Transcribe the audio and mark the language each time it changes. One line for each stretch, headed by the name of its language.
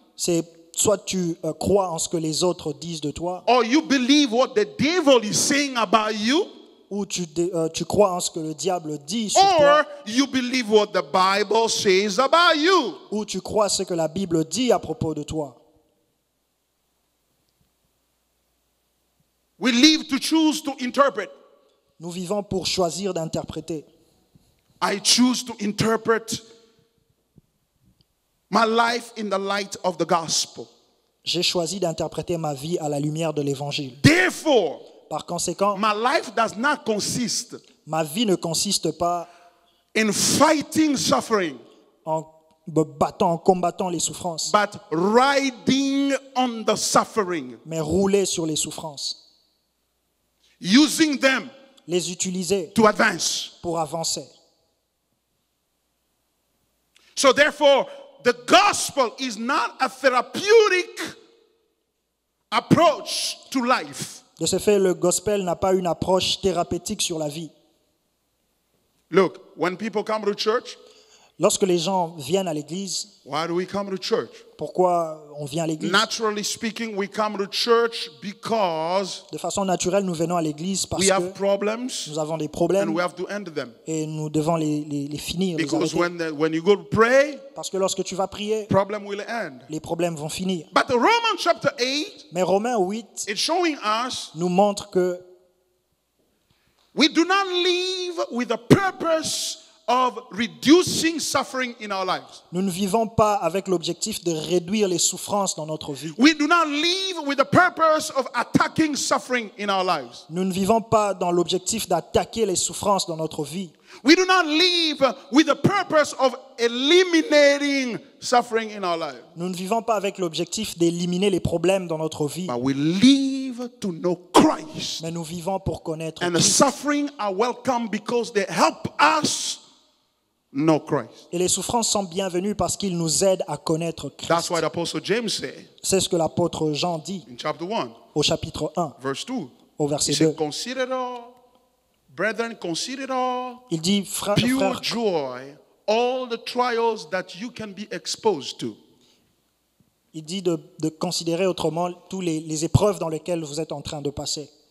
French: C'est soit tu crois en ce que les autres disent de toi.
English: Or you believe what the devil is saying about you.
French: Ou tu crois en ce que le diable dit sur
English: or
French: toi.
English: Or you believe what the Bible says about you.
French: Ou tu crois ce que la Bible dit à propos de toi.
English: We live to choose to interpret.
French: Nous vivons pour choisir d'interpréter.
English: I choose to interpret my life in the light of the gospel.
French: J'ai choisi d'interpréter ma vie à la lumière de l'évangile.
English: Therefore,
French: par conséquent,
English: my life does not consist.
French: Ma vie ne consiste pas
English: in fighting suffering.
French: En combattant les souffrances.
English: But riding on the suffering.
French: Mais rouler sur les souffrances.
English: Using them.
French: Les utiliser.
English: To advance.
French: Pour avancer.
English: So therefore, the gospel is not a therapeutic approach to life.
French: De ce fait, le gospel n'a pas une approche thérapeutique sur la vie.
English: Look, when people come to church,
French: lorsque les gens viennent à l'église,
English: why do we come to church?
French: Pourquoi on vient à l'église?
English: Naturally speaking, we come to church because
French: de façon naturelle, nous venons à l'église parce
English: we have problems,
French: nous avons des problèmes
English: and we have to end them.
French: Et nous devons les finir.
English: Because
French: les arrêter.
English: When you go to pray,
French: parce que lorsque tu vas prier,
English: problem will end.
French: Les problèmes vont finir.
English: But Romans chapter 8,
French: mais Romains 8
English: it's showing us,
French: nous montre que
English: we do not live with a purpose of reducing suffering in our lives.
French: Nous ne vivons pas avec l'objectif de réduire les souffrances dans notre vie.
English: We do not live with the purpose of attacking suffering in our lives.
French: Nous ne vivons pas dans l'objectif d'attaquer les souffrances dans notre vie.
English: We do not live with the purpose of eliminating suffering in our lives.
French: Nous ne vivons pas avec l'objectif d'éliminer les problèmes dans notre vie.
English: But we live to know Christ.
French: Mais nous vivons pour connaître
English: and
French: Christ.
English: The suffering are welcome because they help us. No Christ.
French: Et les souffrances sont bienvenues parce qu'ils nous aident à connaître Christ.
English: That's what the Apostle James said.
French: C'est ce que l'apôtre Jean dit.
English: In chapter 1.
French: Au chapitre 1.
English: Verse 2.
French: Au verset 2.
English: He said, consider it all, brethren, consider it all.
French: Il dit,
English: pure joy, all the trials that you can be exposed to.
French: Il dit de considérer autrement toutes les épreuves dans lesquelles vous êtes en train de passer.